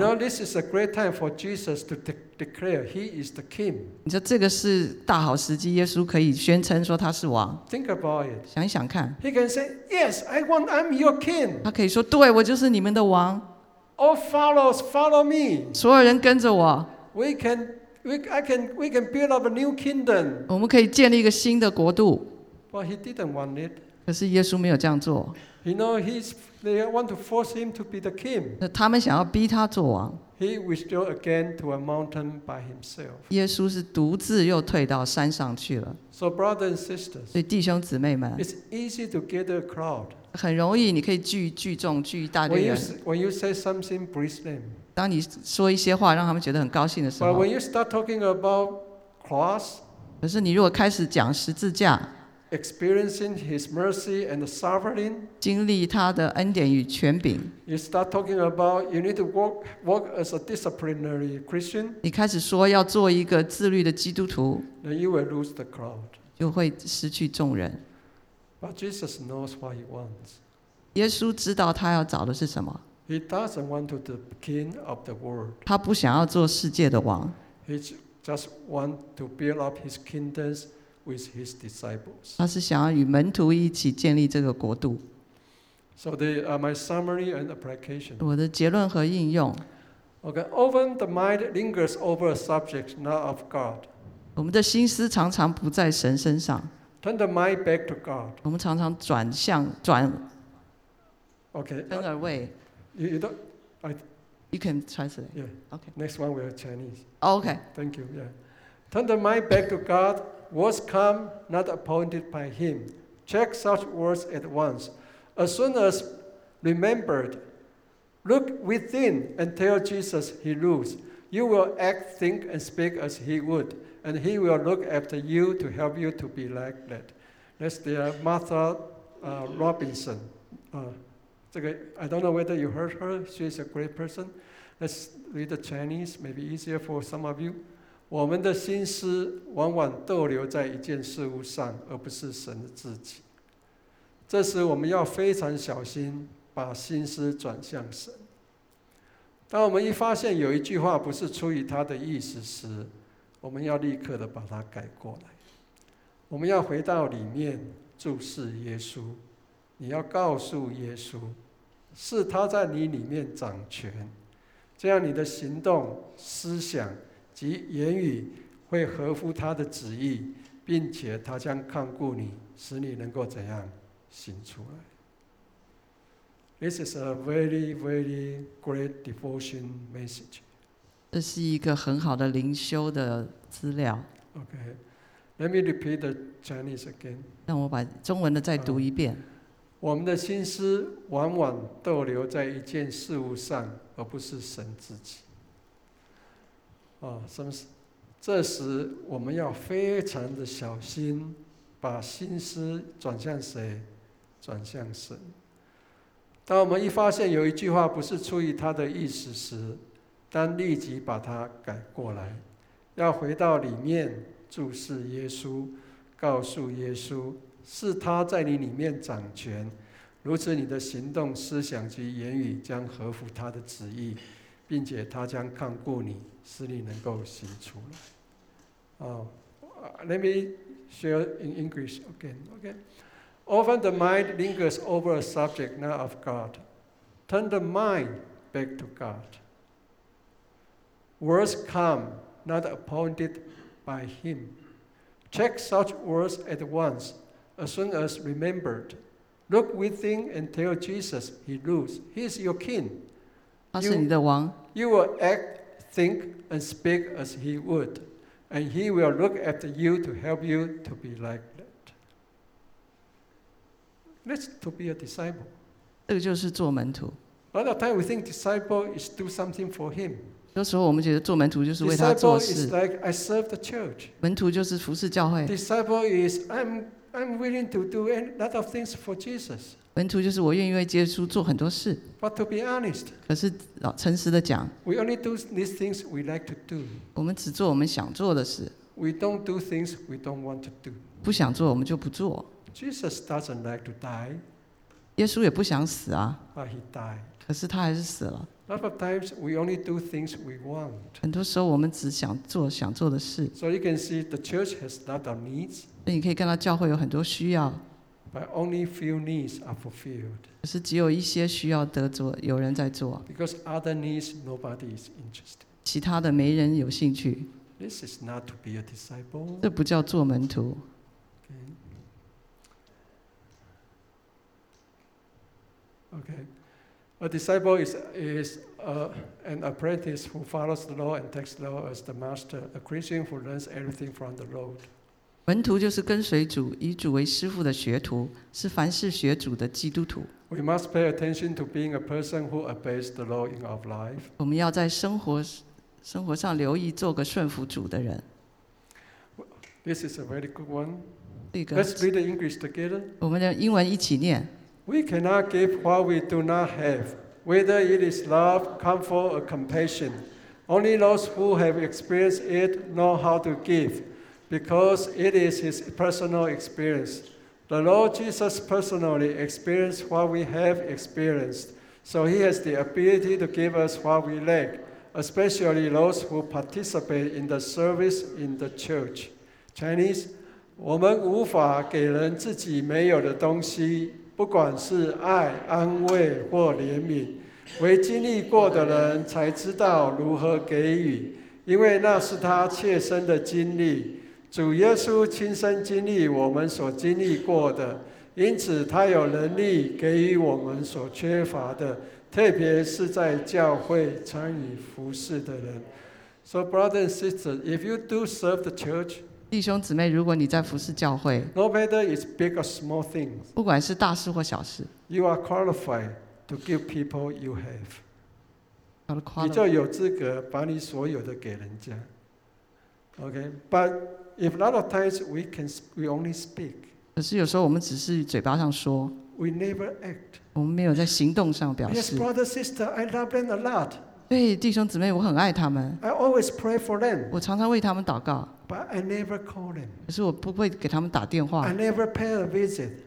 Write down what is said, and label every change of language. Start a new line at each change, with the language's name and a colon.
English: You know this is a great time for Jesus to declare he is the king.
Chinese: 你说这个是大好时机，耶稣可以宣称说他是王。
English: Think about it.
Chinese: 想一想看。
English: He can say. Yes, I want. I'm your king.
Chinese: 他可以说，对，我就是你们的王。
English: All followers, follow me.
Chinese: 所有人跟着我。
English: We can build up a new kingdom.
Chinese: 我们可以建立一个新的国度。
English: But he didn't want it.
Chinese: 可是耶稣没有这样做。
English: You know, they want to force him to be the king.
Chinese: 他们想要逼他做王。
English: He withdrew again to a mountain by himself.
Chinese: 耶稣是独自又退到山上去了。
English: So brothers and sisters,
Chinese: 所以弟兄姊妹们，
English: it's easy to gather a crowd.
Chinese: 很容易，你可以聚众，聚一大堆人。
English: When you say something, please them.
Chinese: 当你说一些话，让他们觉得很高兴的时候。
English: But when you start talking about cross,
Chinese: 可是你如果开始讲十字架，
English: experiencing his mercy and the sovereign,
Chinese: 经历他的恩典与权柄。
English: You start talking about you need to work as a disciplinary Christian.
Chinese: 你开始说要做一个自律的基督徒。
English: Then you will lose the crowd.
Chinese: 就会失去众人。
English: But Jesus knows what he wants.
Chinese: 耶稣知道他要找的是什么。
English: He doesn't want to be the king of the world.
Chinese: 他不想要做世界的王。
English: He just want to build up his kingdoms with his disciples.
Chinese: 他是想要与门徒一起建立这个国度。
English: So my summary and application.
Chinese: 我的结论和应用。
English: Okay, often the mind lingers over a subject not of God.
Chinese: 我们的心思常常不在神身上。 Turn the mind back to God. 我们常常转向转。 Okay. 转而为。
English: You can translate. Yeah. Okay. Next one will be Chinese. Okay. Thank you. Yeah. Turn the mind back to God. Words come not appointed by Him. Check such words at once. As soon as remembered, look within and tell Jesus he rules. You will act, think, and speak as he would, and he will look after you to help you to be like that. That's the Martha Robinson. I don't know whether you heard her. She's a great person. Let's read the Chinese, maybe easier for some of you.
Chinese: 我们的心思往往逗留在一件事物上，而不是神的自己。这时我们要非常小心把心思转向神。当我们一发现有一句话不是出于他的意思时，我们要立刻的把它改过来。我们要回到里面注视耶稣。你要告诉耶稣是他在你里面掌权，这样你的行动、思想及言语会合乎他的旨意，并且他将看顾你，使你能够怎样行出来。
English: This is a very, very great devotion message.
Chinese: 这是一个很好的灵修的资料。
English: Okay, let me repeat the Chinese again.
Chinese: 让我把中文的再读一遍。我们的心思往往逗留在一件事物上，而不是神自己。这时我们要非常的小心，把心思转向谁？转向神。当我们一发现有一句话不是出于他的意思时，当立即把它改过来。要回到里面注视耶稣，告诉耶稣是他在你里面掌权，如此你的行动、思想及言语将合乎他的旨意，并且他将看顾你，使你能够行出来。
English: Let me share in English again. Okay. Often the mind lingers over a subject not of God. Turn the mind back to God. Words come not appointed by Him. Check such words at once as soon as remembered. Look within and tell Jesus He rules. He is your king.
Chinese: 他是你的王。
English: You will act, think, and speak as He would. And he will look after you to help you to be like that. That's to be a disciple.
Chinese: 这个就是做门徒。
English: A lot of time we think disciple is do something for him.
Chinese: 有时候我们觉得做门徒就是为他做事。
English: Disciple is like I serve the church.
Chinese: 门徒就是服侍教会。
English: Disciple is I'm willing to do a lot of things for Jesus.
Chinese: 门徒就是我愿意为耶稣做很多事。
English: But to be honest,
Chinese: 可是诚实的讲
English: we only do these things we like to do.
Chinese: 我们只做我们想做的事。
English: We don't do things we don't want to do.
Chinese: 不想做我们就不做。
English: Jesus doesn't like to die.
Chinese: 耶稣也不想死啊。
English: But he died.
Chinese: 可是他还是死了。
English: A lot of times we only do things we want.
Chinese: 很多时候我们只想做想做的事。
English: So you can see the church has a lot of needs.
Chinese: 那你可以看到教会有很多需要
English: ，But only few needs are fulfilled.
Chinese: 可是只有一些需要得做，有人在做。
English: Because other needs, nobody is interested.
Chinese: 其他的没人有兴趣。
English: This is not to be a disciple.
Chinese: 这不叫做门徒。
English: Okay. Okay. A disciple is an apprentice who follows the law and takes the law as the master. A Christian who learns everything from the Lord.
Chinese: 门徒就是跟随主、以主为师父的学徒，是凡事学主的基督徒。
English: We must pay attention to being a person who obeys the law in our life.
Chinese: 我们要在生活上留意做个顺服主的人。
English: This is a very good one.
Chinese: 这个、
English: Let's read the English together.
Chinese: 我们用英文一起念。
English: We cannot give what we do not have, whether it is love, comfort, or compassion. Only those who have experienced it know how to give. Because it is his personal experience. The Lord Jesus personally experienced what we have experienced, so he has the ability to give us what we lack, especially those who participate in the service in the church.
Chinese: Chinese, 我们无法给人自己没有的东西，不管是爱、安慰或怜悯，唯经历过的人才知道如何给予，因为那是他切身的经历。主耶稣亲身经历我们所经历过的，因此他有能力给予我们所缺乏的，特别是在教会参与服事的人。
English: So, brothers and sisters, if you do serve the church,
Chinese: 弟兄姊妹，如果你在服事教会
English: ，no matter it's big or small things,
Chinese: 不管是大事或小事
English: ，you are qualified to give people you have.
Chinese: 好的，你就有资格把你所有的给人家。
English: Okay, but If a lot of times we only speak,
Chinese: 可是有时候我们只是嘴巴上说
English: ，we never act.
Chinese: 我们没有在行动上表示。
English: Yes, brother, sister, I love them a lot.
Chinese: 对，弟兄姊妹，我很爱他们。
English: I always pray for them.
Chinese: 我常常为他们祷告。
English: But I never call them.
Chinese: 可是我不会给他们打电话。
English: I never pay a visit.